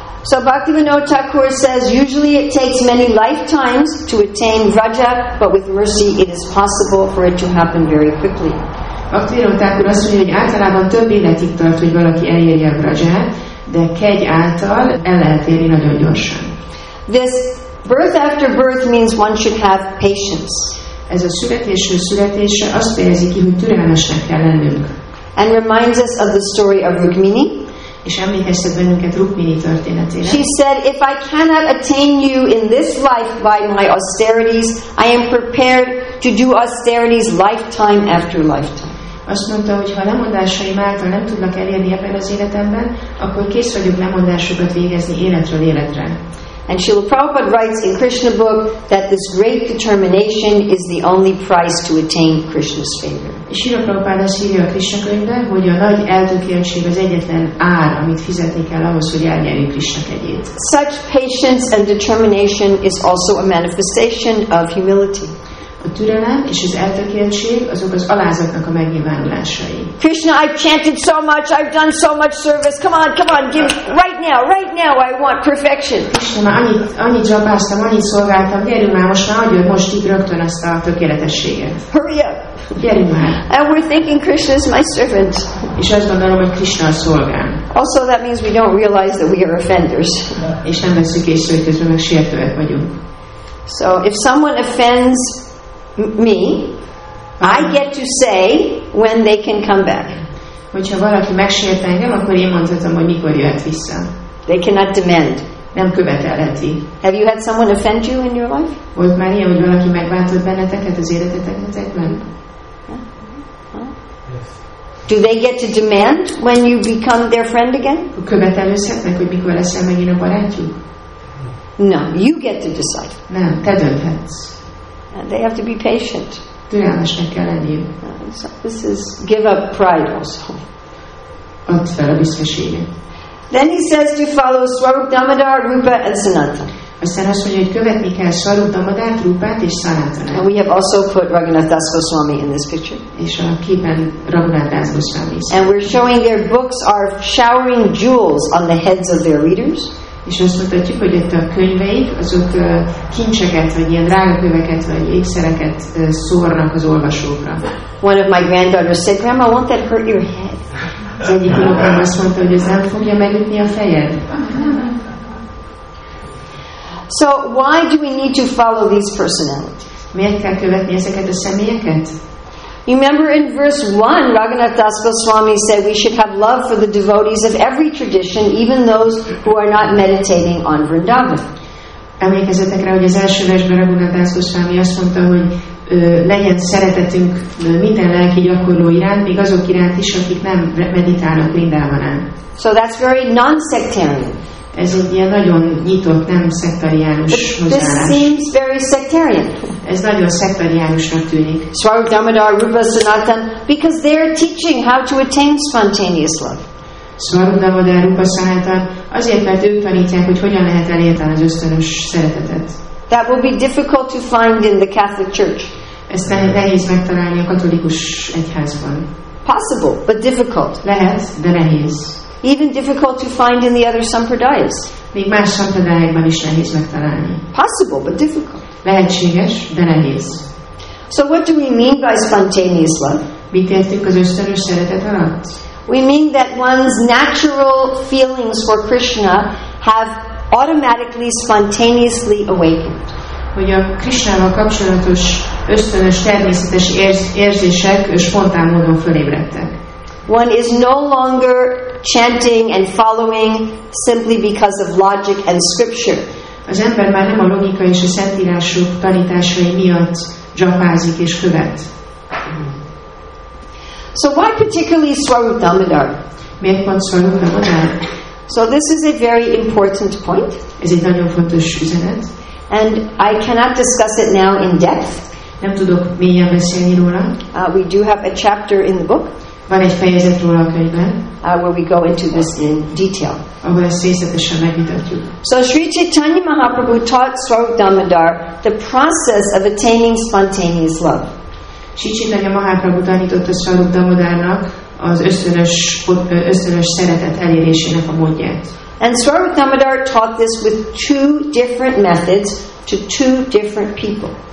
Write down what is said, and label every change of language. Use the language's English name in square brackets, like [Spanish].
[English] So Bhaktivinoda Thakur says, usually it takes many lifetimes to attain Vraja, but with mercy it is possible for it to happen very quickly. [Hungarian] Bhaktivinoda Thakur azt mondja, hogy általában több életig tart, hogy valaki elérje Vraját, de kegy által el lehet érni nagyon gyorsan. [English] This birth after birth means one should have patience. [Hungarian] Ez a születésről születésre azt fejezi ki, hogy türelmesnek kell lennünk. [English] And reminds us of the story of Rukmini. [Hungarian] És emlékeztet bennünket Rukmini történetére. [English] She said, if I cannot attain you in this life by my austerities, I am prepared to do austerities lifetime after lifetime. [Hungarian] Azt mondta, hogy ha lemondásaim által nem tudnak elérni ebben az életemben, akkor kész vagyok lemondásokat végezni életről életre. [English] And Srila Prabhupada writes in Krishna book that this great determination is the only price to attain Krishna's favor. [Hungarian] Srila Prabhupada írja a Krishna könyvben, hogy a nagy eltökéltség az egyetlen ár, amit fizetni kell ahhoz, hogy elnyerjük Krishna kegyét. [English] Such patience and determination is also a manifestation of humility. [Hungarian] A türelem és az eltökéltség azok az alázatnak a megnyilvánulásai. [English] Krishna, I've chanted so much, I've done so much service. Come on, come on, give right now, I want perfection. [Hungarian] Krishna, már annyit jobbáztam, annyit szolgáltam, gyerünk már most, na, adjon most így rögtön ezt a tökéletességet. [English] Hurry up! [Hungarian] Gyerünk már! [English] And we're thinking Krishna is my servant. [Hungarian] És azt gondolom, hogy Krishna a szolgám. [English] Also that means we don't realize that we are offenders. [Hungarian] És nem veszük észre, hogy közben meg sértőek vagyunk. [English] So if someone offends me, I get to say when they can come back. [Hungarian] Hogyha valaki megsért engem, akkor én mondhatom, hogy mikor jöhet vissza. [English] They cannot demand. [Hungarian] Nem követelheti. [English] Have you had someone offend you in your life? [Hungarian] Volt már ilyen, hogy valaki megbántott benneteket az életeteknek? [English] Yeah. Huh? Yes. Do they get to demand when you become their friend again? [Hungarian] Követelőzhetnek, hogy mikor leszel megint a barátjuk? [English] No, you get to decide. [Hungarian] Nem, te dönthetsz. [English] They have to be patient. [Hungarian] Türelmesnek kell lenniük. [English] So this is give up pride also. [Hungarian] Add fel a büszkeséget. [English] Then he says to follow Swarup Damodar, Rupa and Sanatana. [Hungarian] Aztán azt mondja, hogy követni kell Sarvodamadát, Rupát és Sanatanát. [English] And we have also put Raghunath Das Goswami in this picture. [Hungarian] És a képen Raghunath Das Goswami. [English] And we're showing their books are showering jewels on the heads of their readers. [Hungarian] És azt mutatjuk, hogy itt a könyveik, azok kincseket, vagy ilyen drága köveket, vagy ékszereket szórnak az olvasókra. [English] One of my granddaughters said, Grandma, won't that hurt your head? [Hungarian] Az egyik unokám azt mondta, hogy ez nem fogja megütni a fejed. [English] So why do we need to follow these personalities? [Hungarian] Miért kell követni ezeket a személyeket? [English] Remember in verse 1, Raghunath Das Goswami said we should have love for the devotees of every tradition, even those who are not meditating on Vrindavan. [Hungarian] Emlékezzetek rá, hogy az első versben Raghunath Das Goswami azt mondta, hogy legyen szeretetünk minden lelki gyakorló iránt, még azok iránt is, akik nem meditálnak Vrindavanán. [English] So that's very non-sectarian. [Hungarian] Ez egy ilyen nagyon nyitott, nem szektariánus hozzáállás. [English] This seems very sectarian. [Hungarian] Ez nagyon szektariánusnak tűnik. [English] Svarupadamodar, Rupa, Sanatan, because they are teaching how to attain spontaneous love. [Hungarian] Svarupadamodar, Rupa, Sanatan, azért, mert ők tanítják, hogy hogyan lehet elérni az ösztönös szeretetet. [English] That will be difficult to find in the Catholic Church. [Hungarian] Ezt nehéz megtalálni a katolikus egyházban. [English] Possible, but difficult. [Hungarian] Lehet, de nehéz. [English] Even difficult to find in the other sampradayas. [Hungarian] Még más sampradayákban is nehéz megtalálni. [English] Possible, but difficult. [Hungarian] Lehetséges, de nehéz. [English] So what do we mean by spontaneous love? [Hungarian] Mit értünk az ösztönös szeretet alatt? [English] We mean that one's natural feelings for Krishna have automatically, spontaneously awakened. [Hungarian] Hogy a Krishnával kapcsolatos ösztönös természetes érzések spontán módon fölébredtek. [English] One is no longer chanting and following simply because of logic and scripture. [Hungarian] Az ember már nem a logika és a szentírások tanításai miatt japázik és követ. [English] So why particularly Swarup Damodar? [Hungarian] Miért pont Swarup Damodar? [English] So this is a very important point. [Hungarian] Ez egy nagyon fontos üzenet. [English] And I cannot discuss it now in depth. [Hungarian] Nem tudok mélyen beszélni róla. [English] We do have a chapter in the book. [Hungarian] Van egy fejezet róla a könyvben. [English] Where we go into this in detail. So Sri Chaitanya Mahaprabhu taught Swarup Damodar the process of attaining spontaneous love. [Hungarian] Sri Chaitanya Mahaprabhu tanította Swarup Damodarnak az ösztönös szeretet elérésének a módját. [English] And Swarup Damodar taught this with two different methods to two different people.